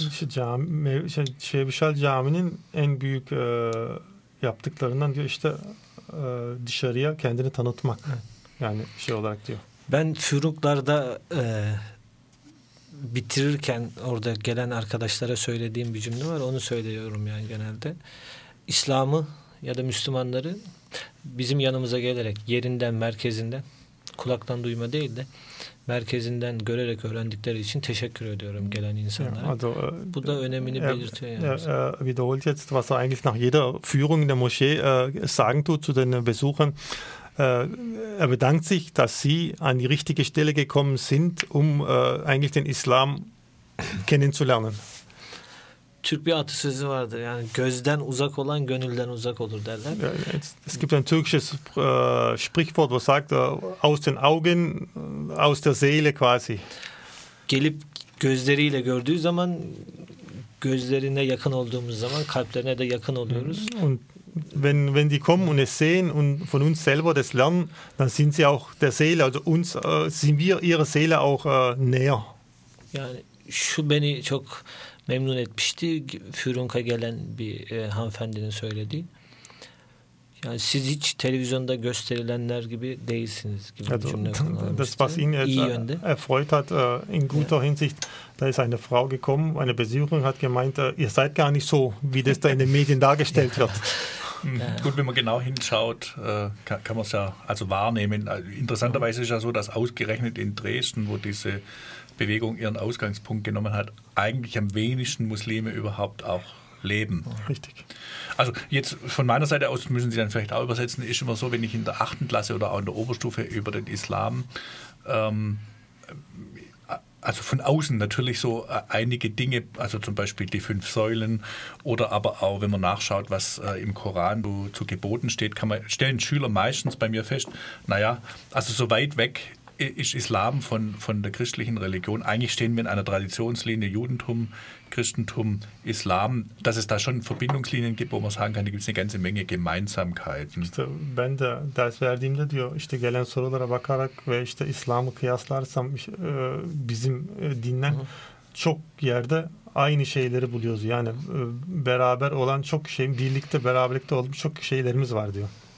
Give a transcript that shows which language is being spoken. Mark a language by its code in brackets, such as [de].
[tr] Şevşal Cami'nin en büyük yaptıklarından diyor işte dışarıya kendini tanıtmak. Yani şey olarak diyor. Ben Füruklar'da bitirirken orada gelen arkadaşlara söylediğim bir cümle var. Onu söylüyorum yani genelde. İslam'ı ya da Müslümanları bizim yanımıza gelerek yerinden, merkezinden, kulaktan duyma değil de merkezinden görerek öğrendikleri için teşekkür ediyorum gelen insanlara. Also, bu da önemini belirtiyor yani. [de] Wiederholt jetzt, was du eigentlich nach jeder Führung in der Moschee sagen tut zu den Besuchern. Er bedankt sich, dass sie an die richtige Stelle gekommen sind, um eigentlich den Islam kennenzulernen. [tr] Türk bir atasözü vardır. Yani gözden uzak olan gönülden uzak olur derler. [de] Es gibt ein türkisches Sprichwort, was sagt aus den Augen, aus der Seele quasi. [tr] Gelip gözleriyle gördüğü zaman, gözlerine yakın olduğumuz zaman kalplerine de yakın oluyoruz. [de] Und wenn die kommen und es sehen und von uns selber das lernen, dann sind sie auch der Seele, also uns sind wir ihrer Seele auch näher. [tr] Yani şu beni çok memnun etmişti, Führung'a gelen bir hanımefendinin söylediği. Yani siz hiç televizyonda gösterilenler gibi değilsiniz gibi bir cümle kullanmıştı. [de] Das, was ihn jetzt erfreut hat, in guter Hinsicht, da ist eine Frau gekommen, eine Besucherin hat gemeint, ihr seid gar nicht so, wie das da in den Medien dargestellt wird. Gut, wenn man genau hinschaut, kann man es ja also wahrnehmen. Interessanterweise ist ja so, dass ausgerechnet in Dresden, wo diese Bewegung ihren Ausgangspunkt genommen hat, eigentlich am wenigsten Muslime überhaupt auch leben. Richtig. Also jetzt von meiner Seite aus, müssen Sie dann vielleicht auch übersetzen, ist immer so, wenn ich in der 8. Klasse oder auch in der Oberstufe über den Islam, also von außen natürlich so einige Dinge, also zum Beispiel die 5 Säulen oder aber auch, wenn man nachschaut, was im Koran zu geboten steht, stellen Schüler meistens bei mir fest, naja, also so weit weg ist Islam von der christlichen Religion. Eigentlich stehen wir in einer Traditionslinie, Judentum, Christentum, Islam, dass es da schon Verbindungslinien gibt, wo man sagen kann, da gibt es eine ganze Menge Gemeinsamkeiten. [tr] İşte ben de derslerimde diyor, işte gelen sorulara bakarak ve işte İslam'ı kıyaslarsam bizim dinden çok yerde aynı şeyleri buluyoruz. Yani beraber olan çok şey, birlikte beraberlikte olmuş çok şeylerimiz var diyor.